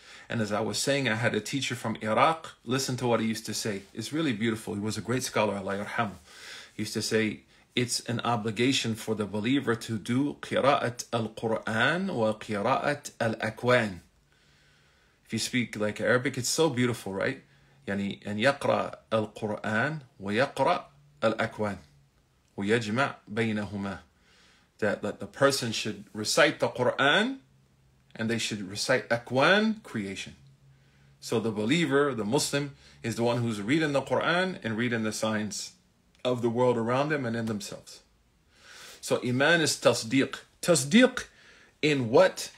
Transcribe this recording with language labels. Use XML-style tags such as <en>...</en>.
<en>And as I was saying, I had a teacher from Iraq. Listen to what he used to say. It's really beautiful. He was a great scholar, Allah yarham. He used to say, it's an obligation for the believer to do</en> <ar>qira'at al-Qur'an wa qira'at al-Akwan.</ar> <en>If you speak like Arabic, it's so beautiful, right?</en> <ar>يعني أن يقرأ القرآن ويقرأ الأكوان ويجمع بينهما.</ar> <en>That the person should recite the Quran and they should recite Akwan, creation. So the believer, the Muslim, is the one who's reading the Quran and reading the signs of the world around them and in themselves. So iman is tasdiq. Tasdiq in what?</en>